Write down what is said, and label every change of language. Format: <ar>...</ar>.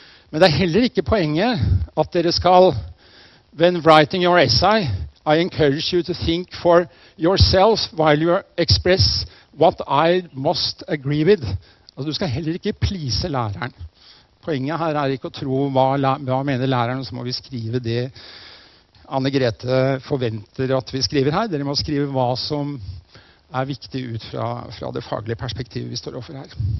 <no>Men det heller ikke poenget at dere skal...</no> <en>When writing your essay, I encourage you to think for yourself while you express what I most agree with.</en> <no>Altså, du skal heller ikke plise læreren. Poenget her ikke å tro hva mener læreren, så må vi skrive det Anne-Grete forventer at vi skriver her. Dere må skrive hva som viktig ut fra det faglige perspektivet vi står overfor her.</no>